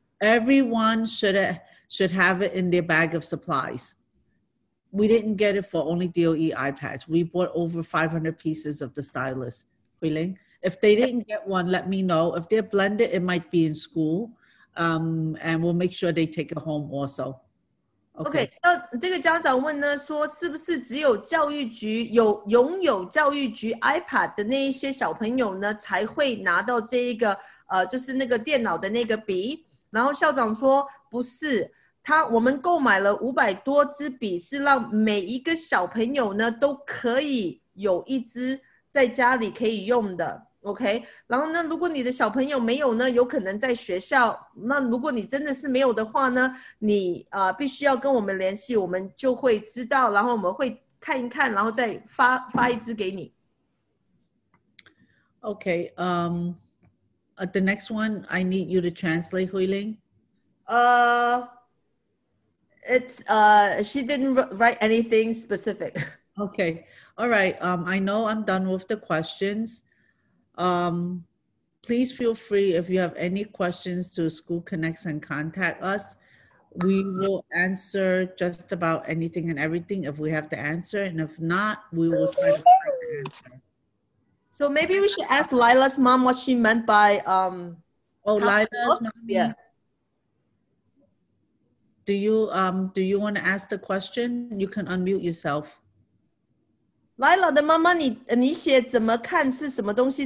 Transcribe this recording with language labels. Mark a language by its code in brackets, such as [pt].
[en] Everyone should have it in their bag of supplies. We didn't get it for only DOE iPads. We bought over 500 pieces of the stylus. Hui Ling, if they didn't get one, let me know. If they're blended, it might be in school. And we'll make sure they take it home also. Okay. [zh] Okay, 这个家长问呢，说是不是只有教育局有拥有教育局 iPad 的那一些小朋友呢，才会拿到这一个就是那个电脑的那个笔？然后校长说不是。我们购买了500多支笔，是让每一个小朋友呢都可以有一支在家里可以用的 ，OK。然后呢，如果你的小朋友没有呢，有可能在学校。那如果你真的是没有的话呢，你必须要跟我们联系，我们就会知道，然后我们会看一看，然后再发一支给你。 [en] OK， the next one I need you to translate, Hui Ling. It's she didn't write anything specific. Okay. All right. I know I'm done with the questions. Please feel free if you have any questions to School Connects and contact us. We will answer just about anything and everything if we have the answer. And if not, we will try to find the answer. So maybe we should ask Lila's mom what she meant by Lila's mom. Yeah. Do you want to ask the question? You can unmute yourself. [zh] Lila 的妈妈，你写怎么看是什么东西？